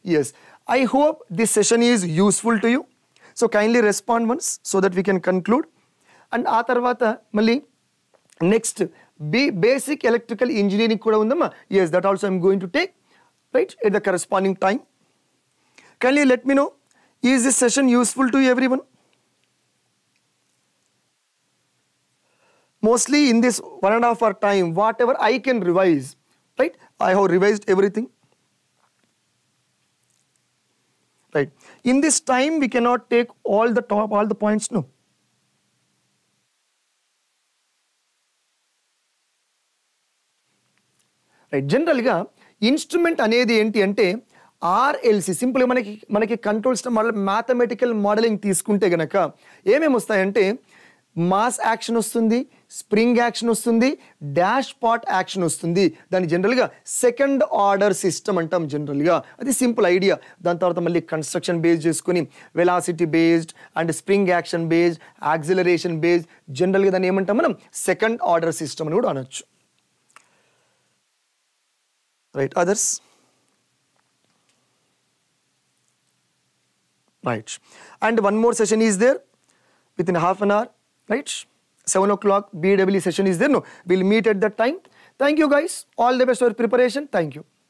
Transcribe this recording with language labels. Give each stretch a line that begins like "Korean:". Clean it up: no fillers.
English: Yes, I hope this session is useful to you. So kindly respond once so that we can conclude. And
Telugu: ఆ తర్వాత మళ్ళీ
English: next basic electrical engineering
Telugu: కూడా ఉందమ్మా,
English: Yes, that also I'm going to take right at the corresponding time. Kindly let me know, is this session useful to everyone? Mostly in this one and a half hour time, whatever I can revise, right, I have revised everything, right, in this time we cannot take all the top, all the points, no.
Telugu: Right, generally instrument anedi enti ante RLC, సింపుల్గా మనకి control system model mathematical modelling తీసుకుంటే కనుక ఏమేమి వస్తాయంటే mass action వస్తుంది, spring action వస్తుంది, dash pot action వస్తుంది. దాన్ని జనరల్గా సెకండ్ ఆర్డర్ సిస్టమ్ అంటాం జనరల్గా, అది సింపుల్ ఐడియా. దాని తర్వాత మళ్ళీ కన్స్ట్రక్షన్ బేస్ చేసుకుని velocity based and spring action based, acceleration based, జనరల్గా దాన్ని ఏమంటాం మనం సెకండ్ ఆర్డర్ సిస్టమ్ అని కూడా అనొచ్చు.
English: Right, others right, and one more session is there within half an hour, right, 7 o'clock BWE session is there, no, we'll meet at that time. Thank you guys, all the best for preparation. Thank you.